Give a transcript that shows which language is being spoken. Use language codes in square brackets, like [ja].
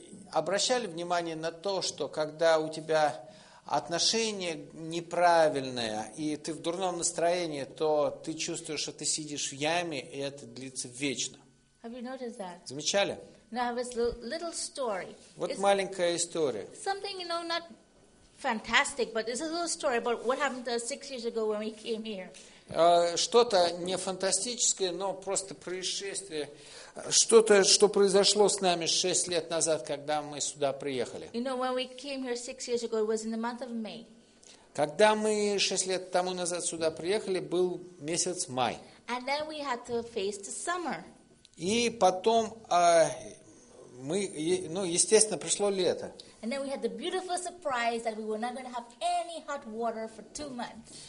[ru] Обращали внимание на то, что когда у тебя отношение неправильное, и ты в дурном настроении, то ты чувствуешь, что ты сидишь в яме, и это длится вечно. [en] Have you noticed that? [ru] Замечали? [en] Now, this little story. [ru] Вот it's маленькая история. [en] Something, you know, not fantastic, but it's a little story about what happened to us 6 years ago when we came here. [ru] Что-то не фантастическое, но просто происшествие. Что-то, что произошло с нами 6 лет назад, когда мы сюда приехали. [en] You know, when we came here 6 years ago, it was in the month of May. [ru] Когда мы 6 лет тому назад сюда приехали, был месяц май. [en] And then we had to face the summer. [ru] И потом мы, ну, естественно, пришло лето. [en] And then we had the beautiful surprise that we were not going to have any hot water for 2 months.